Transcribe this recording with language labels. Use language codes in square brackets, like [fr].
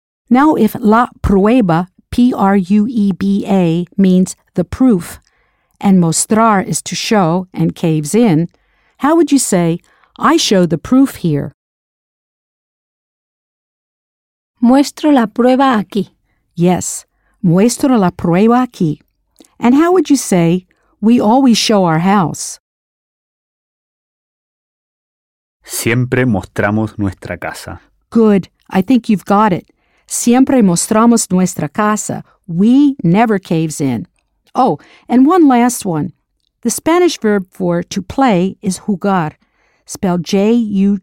[en] Now, if la prueba, P-R-U-E-B-A, means the proof, and mostrar is to show and caves in, how would you say, I show the proof here? [es] Muestro la prueba aquí. [en] Yes, [es] muestro la prueba aquí. [en] And how would you say, we always show our house? [es] Siempre mostramos nuestra casa. [en] Good, I think you've got it. [es] Siempre mostramos nuestra casa. [en] We never caves in. Oh, and one last one. The Spanish verb for to play is jugar, spelled J-U-G-A-R.